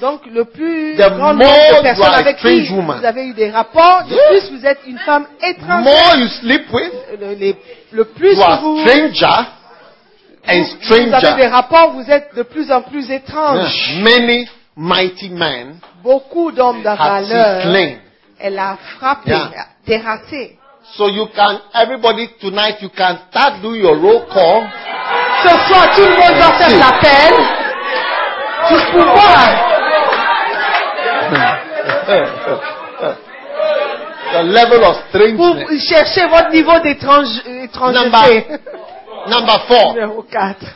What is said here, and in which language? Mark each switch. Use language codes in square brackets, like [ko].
[fr] donc le plus grand nombre de personnes avec qui vous avez eu des rapports, de plus vous êtes une femme étrangère. [en] The more you sleep with, [fr] le plus [en] you are stranger and stranger. [fr] Vous avez des rapports, vous êtes de plus en plus étrange. [en] Many mighty men, [fr] beaucoup d'hommes de valeur, elle a frappé, terrassé. [en] So you can, everybody tonight, you can start doing your roll call. [fr] Ce soir, tout le monde va faire l'appel. Tu pourras. [en] The level of strangeness. [fr] Pour chercher votre niveau d'étrangeté. [en] Number four. [fr] Numéro quatre.